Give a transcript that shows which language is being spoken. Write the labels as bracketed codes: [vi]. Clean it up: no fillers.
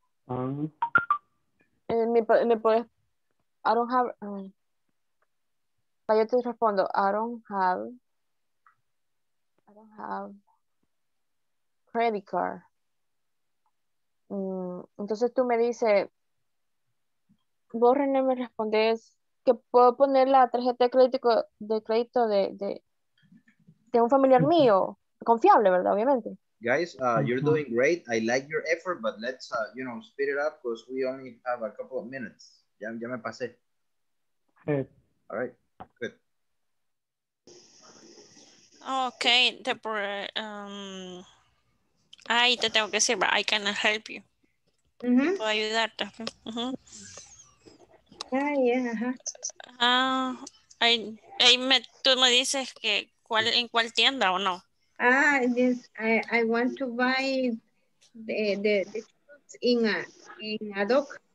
[en] I don't have, yo te respondo, I don't have credit card. [es] Entonces tú me dices, vos René me respondes que puedo poner la tarjeta de crédito de de un familiar mío, confiable, ¿verdad? Obviamente. [en] Guys, you're doing great. I like your effort, but let's, you know, speed it up because we only have a couple of minutes. [es] Ya me pasé. All right, good. Okay, ahí te tengo que decir, I can help you. Mm-hmm. Puedo ayudarte. Uh-huh. [en] Ah, yeah. [es] Ahí tú me dices que en cuál tienda o no. [en] Ah, this I want to buy the shoes in a dock.